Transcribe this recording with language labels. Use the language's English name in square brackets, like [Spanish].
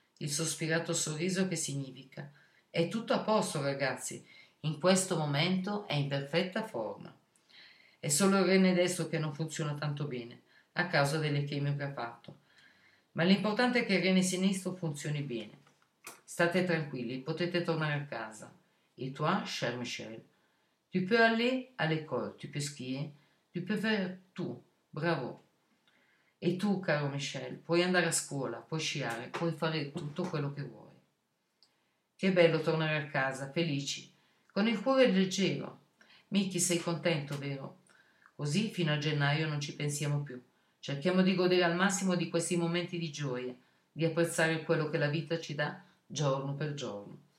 [Italian] Il sospirato sorriso che significa: è tutto a posto, ragazzi, in questo momento è in perfetta forma. È solo il rene destro che non funziona tanto bene, a causa delle chemio che ha fatto. Ma l'importante è che il rene sinistro funzioni bene. State tranquilli, potete tornare a casa. [French] Et toi, cher Michel, tu peux aller à l'école, tu peux skier, tu peux faire tout, bravo. [Italian] E tu, caro Michel, puoi andare a scuola, puoi sciare, puoi fare tutto quello che vuoi. Che bello tornare a casa, felici, con il cuore leggero. Miki, sei contento, vero? Così fino a gennaio non ci pensiamo più. Cerchiamo di godere al massimo di questi momenti di gioia, di apprezzare quello che la vita ci dà giorno per giorno.